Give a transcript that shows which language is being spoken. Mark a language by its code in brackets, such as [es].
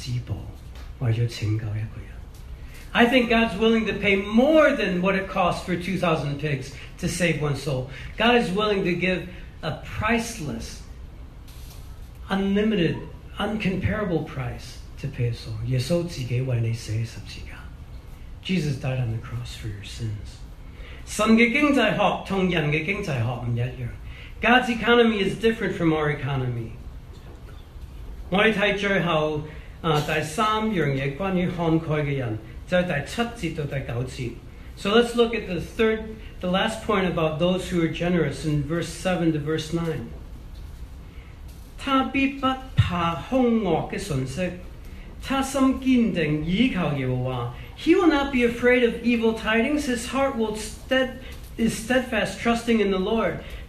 [zh] 耶稣为了拯救一个人，愿意花费2000只猪的价钱。我想不止的，耶稣是愿意花无价之宝，为了拯救一个人。 [en] I think God's willing to pay more than what it costs for 2,000 pigs to save one soul. God is willing to give a priceless, unlimited, uncomparable price to pay a soul. [zh] 耶稣自己为你死十字架。 [en] Jesus died on the cross for your sins. [zh] 神的经济学和人的经济学不一样。 [en] God's economy is different from our economy. [zh] 我们看最后第三样东西关于慷慨的人。 [en] So let's look at the last point about those who are generous in verse 7 to verse 9. [zh] 他必不怕凶恶的讯息，他心坚定倚靠耶和华。 [en] He will not be afraid of evil tidings. His heart is steadfast, trusting in the Lord.